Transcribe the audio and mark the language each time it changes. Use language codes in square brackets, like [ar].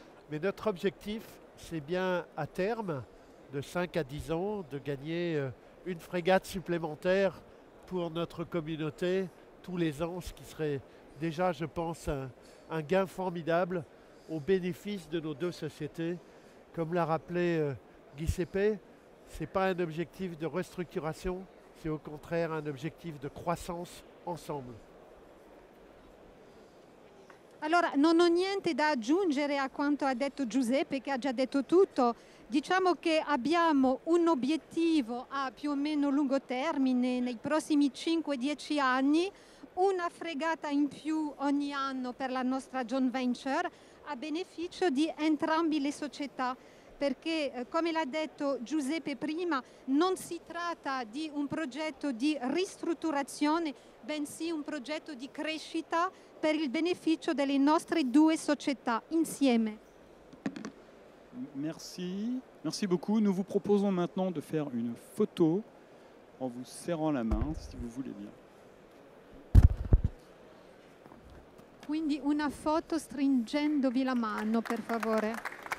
[fr] Mais notre objectif, c'est bien à terme, de 5 à 10 ans, de gagner une frégate supplémentaire pour notre communauté tous les ans, ce qui serait déjà, je pense, un gain formidable au bénéfice de nos deux sociétés. Comme l'a rappelé Giuseppe, ce n'est pas un objectif de restructuration, c'est au contraire un objectif de croissance ensemble. [it] Allora, non ho niente da aggiungere a quanto ha detto Giuseppe, che ha già detto tutto. Diciamo che abbiamo un obiettivo a più o meno lungo termine, nei prossimi 5-10 anni, una fregata in più ogni anno per la nostra joint venture, a beneficio di entrambi le società. Perché, come l'ha detto Giuseppe prima, non si tratta di un progetto di ristrutturazione, bensì un progetto di crescita per il beneficio delle nostre due società insieme. [fr] Merci, merci beaucoup. Nous vous proposons maintenant de faire une photo en vous serrant la main, si vous voulez bien. [it] Quindi una foto stringendovi la mano, per favore.